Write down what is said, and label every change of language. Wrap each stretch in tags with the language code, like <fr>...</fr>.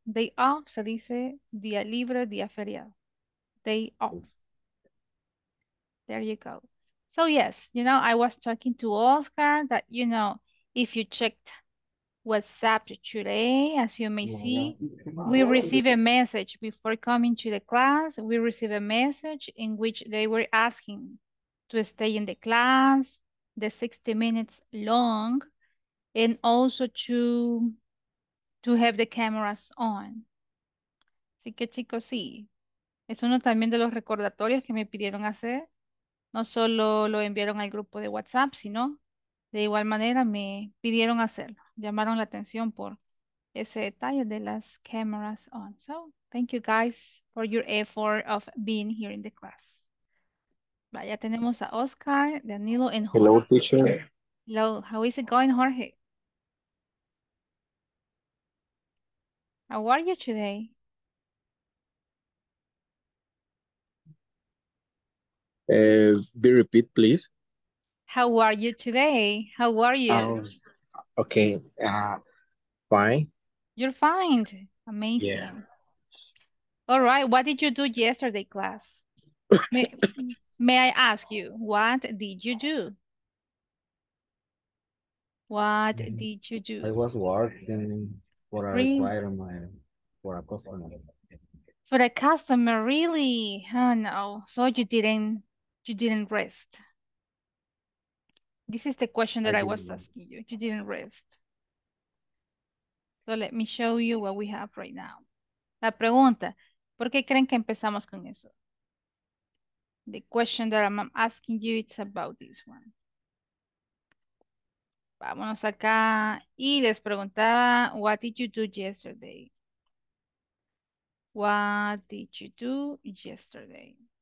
<en>Day off</en> <es>se dice día libre, día feriado.</es> <en>Day off. There you go. So yes, you know, I was talking to Oscar that, you know, if you checked WhatsApp today, as you may see, we receive a message before coming to the class. We receive a message in which they were asking to stay in the class, the 60 minutes long, and also to have the cameras on.</en> <es>Así que chicos, sí, es uno también de los recordatorios que me pidieron hacer. No solo lo enviaron al grupo de WhatsApp, sino de igual manera me pidieron hacerlo. Llamaron la atención por ese detalle de las</es> <en>cameras on. So, thank you guys for your effort of being here in the class.</en> <es>Vaya, tenemos a Oscar, Danilo, and Jorge.</es> <en>Hello, teacher. Hello, how is it going, Jorge? How are you today? Be repeat, please. How are you today? How are you? Okay, fine. You're fine. Amazing. Yeah. All right, what did you do yesterday, class? May I ask you, what did you do? What did you do? I was working for a requirement for a customer. For a customer, really? Oh no. So you didn't. You didn't rest. This is the question that I was asking you. You didn't rest. So let me show you what we have right now.</en> <es>La pregunta, ¿por qué creen que empezamos con eso?</es> <en>The question that I'm asking you, it's about this one.</en> <es>Vámonos acá. Y les preguntaba,</es> <en>what did you do yesterday? What did you do yesterday?</en>